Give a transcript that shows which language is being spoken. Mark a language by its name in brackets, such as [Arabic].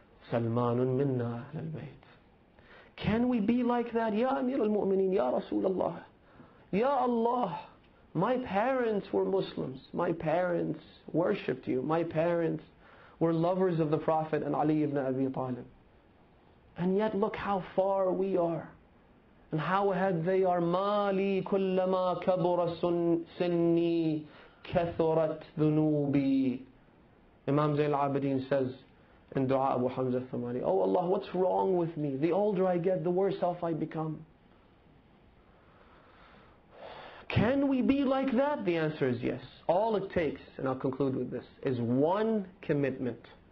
[Arabic] Salmanun minna ahlal bayt. [English] Can we be like that? Ya Amir al-Mu'mineen, Ya Rasulullah. Ya Allah, my parents were Muslims. My parents worshipped you. My parents were lovers of the Prophet and Ali ibn Abi Talib. And yet look how far we are. And how had they are, [Arabic] مَالِي كُلَّمَا كَبُرَ سِنِّي كَثُرَتْ ذُنُوبِي. [English] Imam Zayn al-Abidin says in Dua Abu Hamza al-Thumani, oh Allah, what's wrong with me? The older I get, the worse off I become. Can we be like that? The answer is yes. All it takes, and I'll conclude with this, is one commitment.